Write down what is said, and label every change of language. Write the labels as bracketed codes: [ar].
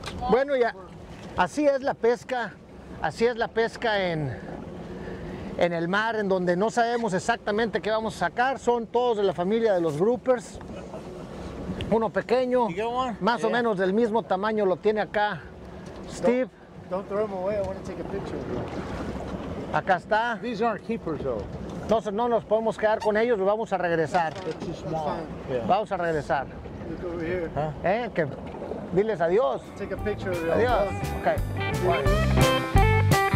[es] Bueno, ya. Así es la pesca. Así es la pesca en el mar, en donde no sabemos exactamente qué vamos a sacar. Son todos de la familia de los groupers. Uno pequeño, más o menos del mismo tamaño lo tiene acá Steve. [en] Don't throw them away, I want to take a picture. [es] Acá está. [en] These aren't keepers though. [es] No, no nos podemos quedar con ellos, los vamos a regresar. [en] It's too small. Yeah. [es] Vamos a regresar. [en] Look over here. [es] ¿Eh? Que, diles adiós. [en] Take a picture. [es] Adiós. [en] Okay. Bye.